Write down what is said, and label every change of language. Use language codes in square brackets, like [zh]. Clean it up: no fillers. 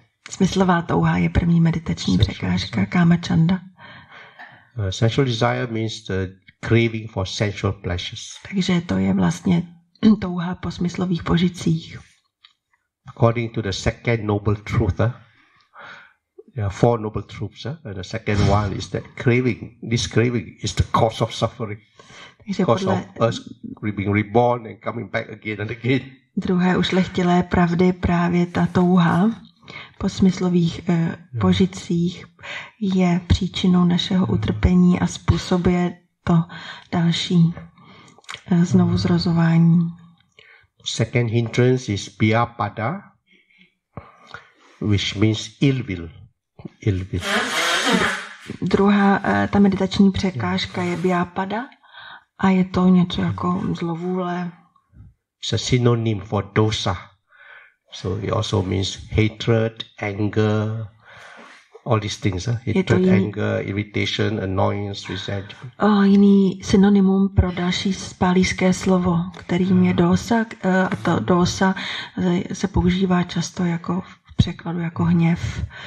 [cs] Smyslová touha je první meditační překážka, kama chanda. [en] Sensual desire means the craving for sensual pleasures. [cs] Takže to je vlastně touha po smyslových požitcích. [en] According to the second noble truth, there are four noble truths, and the second one is that craving, this craving is the cause of suffering. Cause of us being reborn and coming back again and again. [cs] Druhé ušlechtilé pravdy právě ta touha po smyslových požitcích je příčinou našeho utrpení a způsobuje to další znovu zrozování. [en] Second hindrance is vyapada, which means ill will. Ill will. [cs] Druhá ta meditační překážka je vyapada a je to něco jako zlovůle. [en] It's a synonym for dosa. So it also means hatred, anger, all these things. Hatred, anger, irritation, annoyance, resentment. [cs] Jiný synonymum pro další pálíské slovo, kterým je dosa. A to dosa se používá často jako v překladu jako hněv.